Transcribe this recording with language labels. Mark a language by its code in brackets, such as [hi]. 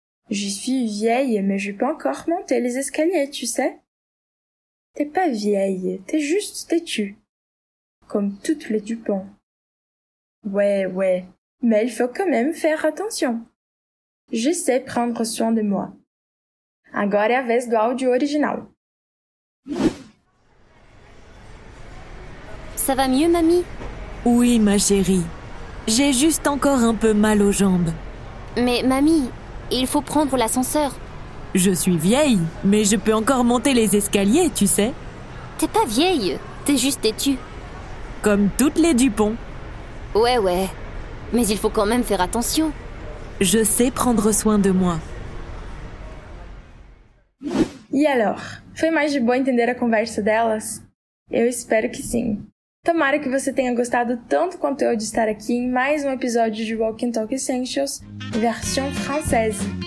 [fr] Je suis vieille, mais je peux encore monter les escaliers, tu sais. T'es pas vieille, t'es juste têtue. Comme toutes les Dupont. Ouais, mais il faut quand même faire attention. Je sais prendre soin de moi. [pt] Agora é a vez do áudio original. [fr] Ça va mieux, mamie? Oui, ma chérie. J'ai juste encore un peu mal aux jambes. Mais mamie, il faut prendre l'ascenseur. Je suis vieille, mais je peux encore monter les escaliers, tu sais. T'es pas vieille, t'es juste têtue. Comme toutes les Dupont. Ouais, ouais. Mais il faut quand même faire attention. Je sais prendre soin de moi. [pt] E alors, foi mais de bom entender a conversa delas? Eu espero que sim. Tomara que você tenha gostado tanto quanto eu de estar aqui em mais um episódio de Walk and Talk Essentials, version française.